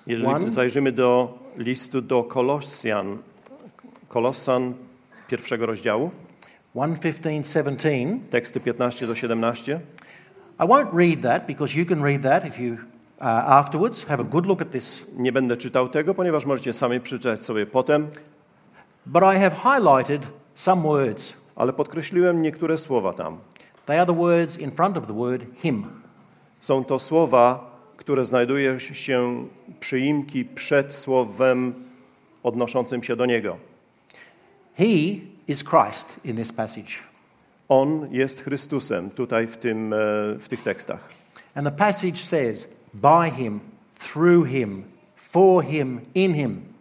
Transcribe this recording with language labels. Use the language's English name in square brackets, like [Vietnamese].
[Polish] jeżeli zajrzymy do listu do Kolosjan, Kolosan pierwszego rozdziału. 1:15-17. Teksty 15-17. [English] I won't read that because you can read that if you afterwards have a good look at this. [Polish] Nie będę czytał tego, ponieważ możecie sami przeczytać sobie potem. [English] But I have highlighted some words. [Polish] Ale podkreśliłem niektóre słowa tam. [English] They are the words in front of the word him. [Polish] Są to słowa, które znajdują się przyimki przed słowem odnoszącym się do niego. [English] He is Christ in this passage. [Polish] On jest Chrystusem tutaj w tych tekstach. [English] And the passage says by him, through him, for him, in him.